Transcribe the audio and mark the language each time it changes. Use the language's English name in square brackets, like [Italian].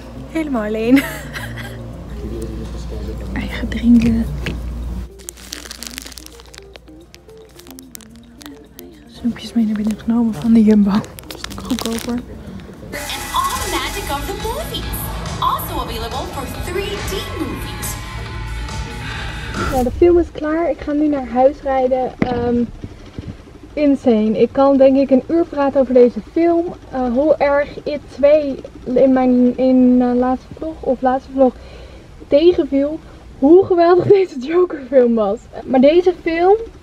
[Dutch] Helemaal alleen. Eigen drinken. Eigen snoepjes mee naar binnen genomen van de Jumbo. Goedkoper. [English] And all the magic of the movies. Also available for 3D movies. [Dutch] Nou, de film is klaar. Ik ga nu naar huis rijden. Insane. Ik kan denk ik een uur praten over deze film. Hoe erg It 2 in mijn laatste vlog tegenviel. Hoe geweldig deze Joker film was. Maar deze film.